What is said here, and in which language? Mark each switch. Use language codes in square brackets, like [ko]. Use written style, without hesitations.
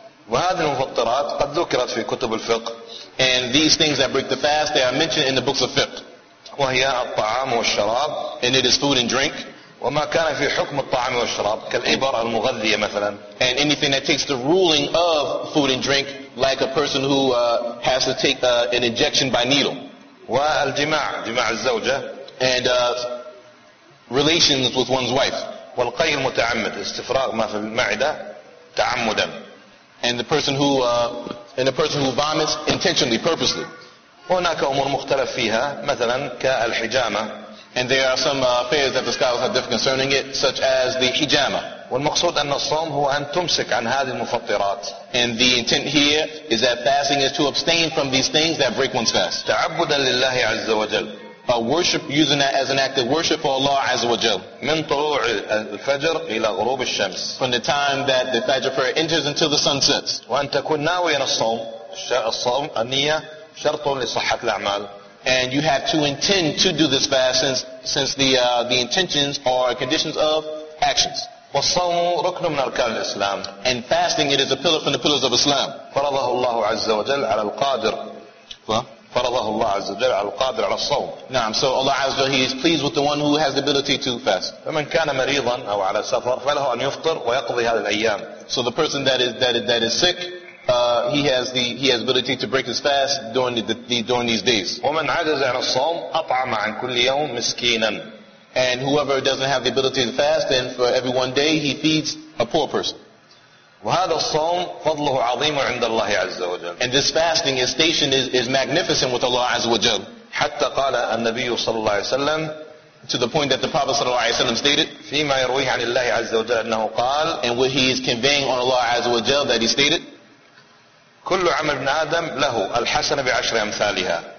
[ar] وهذه المفطرات قد ذكرت في كتب الفقه. [en] And these things that break the fast, they are mentioned in the books of fiqh. [ar] وهي الطعام والشراب. [en] And it is food and drink. [ar] وما كان في حكم الطعام والشراب كالإبرة المغذية مثلا. [en] And anything that takes the ruling of food and drink, like a person who has to take an injection by needle. [ar] والجماع, جماع الزوجة. [en] And relations with one's wife. [ar] والقي المتعمد, استفراغ ما في المعدة تعمدا. [en] And the person who vomits intentionally, purposely. [ar] هناك أمور مختلف فيها مثلا كالحجامة. [en] And there are some affairs that the scholars have different concerning it, such as the hijama. [ar] والمقصود أن الصوم هو أن تمسك عن هذه المفطرات. [en] And the intent here is that fasting is to abstain from these things that break one's fast. [ar] تعبدا لله عز وجل. [en] A worship, using that as an act of worship for Allah Azza wa Jal. [ar] من طلوع الفجر إلى غروب الشمس. [en] From the time that the Fajr prayer enters until the sun sets. [ar] وأن تكون ناويا الصوم. الصوم النية شرط لصحة الأعمال. [en] And you have to intend to do this fast since the intentions are conditions of actions. [ar] والصوم ركن من أركان الإسلام. [en] And fasting, it is a pillar from the pillars of Islam. [ar] فرضه الله عز وجل على القادر. فرضه الله عز وجل على القادر على الصوم. نعم. [en] So Allah [ar] عز وجل, [en] He is pleased with the one who has the ability to fast. [ar] فمن كان مريضا أو على سفر فله أن يفطر ويقضي هذه الأيام. [en] So the person that is sick, he has ability to break his fast during these days. [ar] ومن عجز عن الصوم أطعم عن كل يوم مسكينا. [en] And whoever doesn't have the ability to fast, then for every one day he feeds a poor person. [ar] وهذا الصوم فضله عظيم عند الله عز وجل. [en] And this fasting station is magnificent with Allah [ar] عز وجل. حتى قال النبي صلى الله عليه وسلم, [en] to the point that the Prophet [ar] صلى الله عليه وسلم [en] stated, [ar] فيما يرويه عن الله عز وجل أنه قال, [en] and what he is conveying on Allah [ar] عز وجل [en] that he stated, [ar] كل عمل ابن آدم له الحسن بعشر أمثالها.